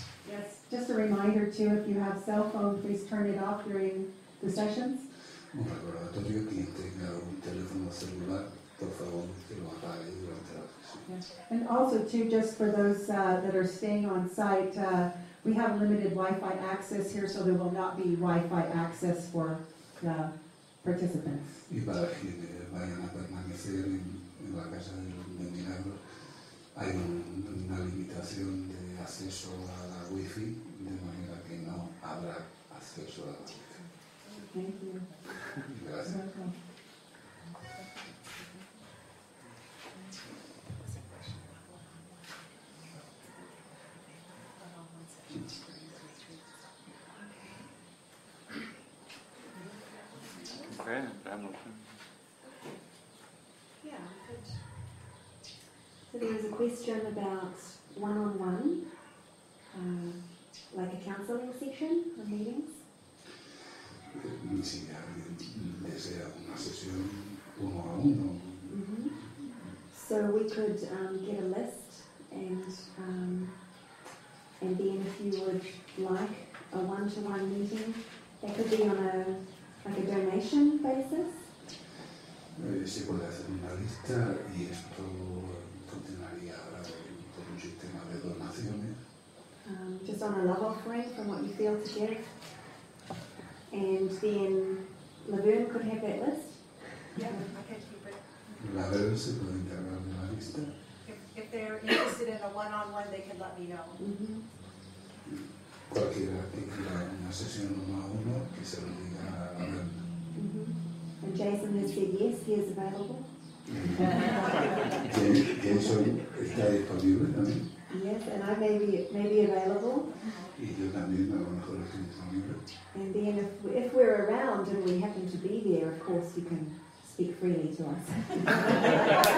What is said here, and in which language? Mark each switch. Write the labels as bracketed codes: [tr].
[en] Yes, just a reminder too, if you have cell phone, please turn it off during the sessions. [es] Un recordatorio, quien tenga un teléfono celular, por favor, que lo apague durante la sesión. [en] Yeah. And also too, just for those that are staying on site, we have limited Wi-Fi access here, so there will not be Wi-Fi access for the participants. [es] Y para quienes vayan a permanecer en la Casa de Milagros, hay una limitación de acceso a la Wi-Fi, de manera que no habrá acceso a la Wi-Fi. [en] Thank you. You're welcome. Okay, I'm open. Yeah, good. So there was a question about one-on-one, like a counseling session or meetings. [es] Si alguien desea una sesión uno a uno. [en] So we could get a list and then if you would like a one-to-one meeting, that could be on a like a donation basis. [es] Se puede hacer una lista y esto funcionaría con un sistema de donaciones. [en] Just on a love offering from what you feel to give. And then Laverne could have that list. Yeah, I can keep it. [es] Laverne, se puede encargar de la lista. [en] If they're interested in a one-on-one, they could let me know. [es] Cualquiera que quiera una sesión uno a uno, que se lo diga a Laverne. [en] And Jason has said yes, he is available. [es] Jason está disponible también. [en] Yes, and I may be available. [es] Y yo también, a lo mejor estoy disponible. [en] And then if we're around and we happen to be there, of course you can speak freely to us.